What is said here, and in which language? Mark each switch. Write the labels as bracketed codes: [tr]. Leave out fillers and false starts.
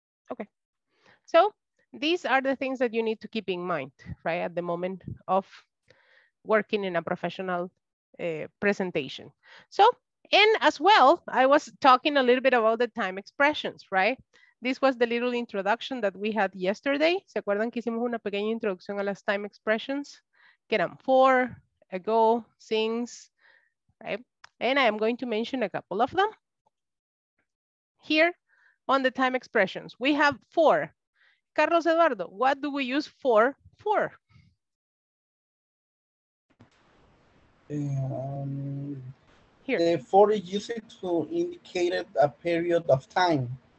[en] Okay, so these are the things that you need to keep in mind, right, at the moment of working in a professional presentation. So, and as well, I was talking a little bit about the time expressions, right? This was the little introduction that we had yesterday. [es] ¿Se acuerdan que hicimos una pequeña introducción a las time expressions? Que eran for, ago, since, right? [en] And I am going to mention a couple of them. Here on the time expressions, we have for. Carlos Eduardo, what do we use for? For. Here. For is used to indicate a period of time.